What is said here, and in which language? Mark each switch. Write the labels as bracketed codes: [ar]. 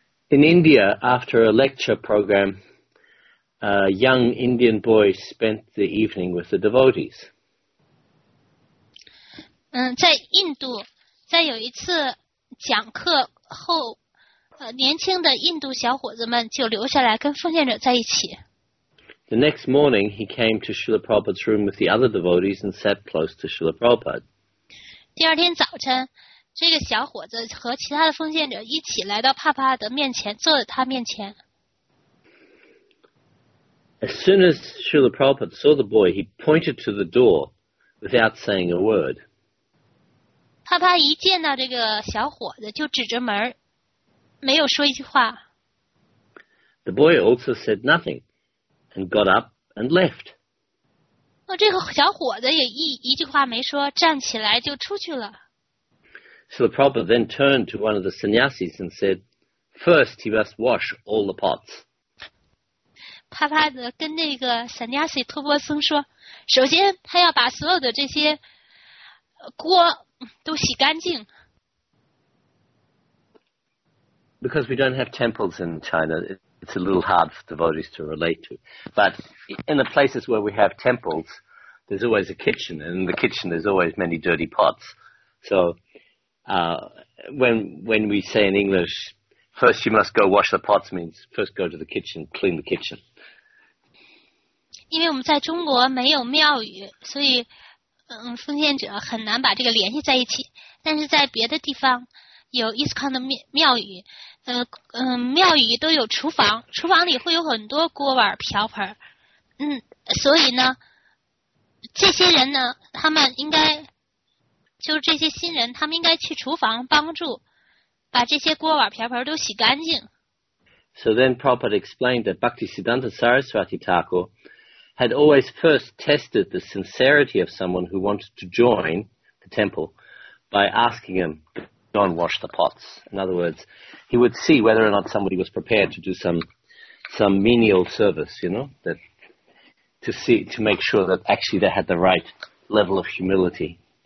[en] In India, after a lecture program, a young Indian boy spent the evening with the devotees. [zh] 在印度，在有一次讲课后，年轻的印度小伙子们就留下来跟奉献者在一起。 [en] The next morning, he came to Srila Prabhupada's room with the other devotees and sat close to Srila Prabhupada. [zh] 第二天早晨，这个小伙子和其他的奉献者一起来到帕帕德面前，坐在他面前。 [en] As soon as Srila Prabhupada saw the boy, he pointed to the door without saying a word. [zh] 帕帕一见到这个小伙子就指着门，没有说一句话。 [en] The boy also said nothing and got up and left. [zh] 这个小伙子也一句话没说，站起来就出去了。 [en] So the Prabhupada then turned to one of the sannyasis and said, first he must wash all the pots. [zh] 帕帕德跟那个 sannyasi 托波僧说，首先他要把所有的这些锅都洗干净。 [en] Because we don't have temples in China, it's a little hard for devotees to relate to. But in the places where we have temples, there's always a kitchen, and in the kitchen there's always many dirty pots. So... When we say in English, first you must go wash the pots means first go to the kitchen, clean the kitchen. [zh] 因为我们在中国没有庙宇，所以奉献者很难把这个联系在一起。但是在别的地方有ISKCON的庙宇，庙宇都有厨房，厨房里会有很多锅碗瓢盆。所以呢，这些人呢，他们应该。就是这些新人，他们应该去厨房帮助，把这些锅碗瓢盆都洗干净。 [en] So then Prabhupada explained that Bhaktisiddhanta Saraswati Thakur had always first tested the sincerity of someone who wanted to join the temple by asking him to go and wash the pots. In other words, he would see whether or not somebody was prepared to do some menial service, you know, that to make sure that actually they had the right level of humility.